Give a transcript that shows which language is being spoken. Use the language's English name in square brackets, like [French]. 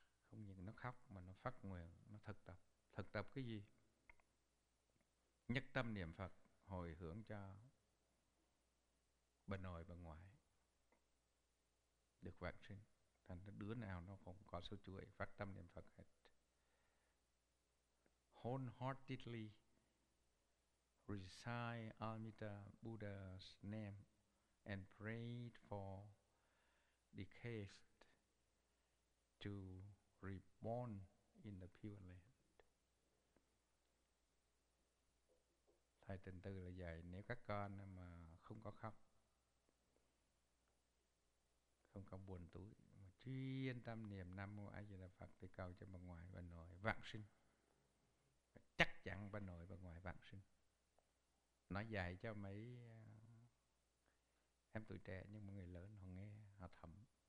[Vietnamese] Không những nó khóc mà nó phát nguyện, nó thực tập. Thực tập cái gì? Nhất tâm niệm Phật, hồi hướng cho bà nội bà ngoại được vạn sinh. Thành ra đứa nào nó cũng có số chuỗi phát tâm niệm Phật hết. [English] Wholeheartedly recite Amitabha Buddha's name and pray for the caste to reborn in the Pure Land. [Vietnamese] Thầy Tịnh Từ là dạy nếu các con mà không có khóc, không có buồn tủi, mà chuyên tâm niệm Nam Mô A Di Đà Phật thì cầu cho bà ngoại bà nội vạn sinh. Chắc chắn bà nội bà ngoại vạn sinh. Nó dạy cho mấy em tuổi trẻ, nhưng mà người lớn họ nghe, họ thấm.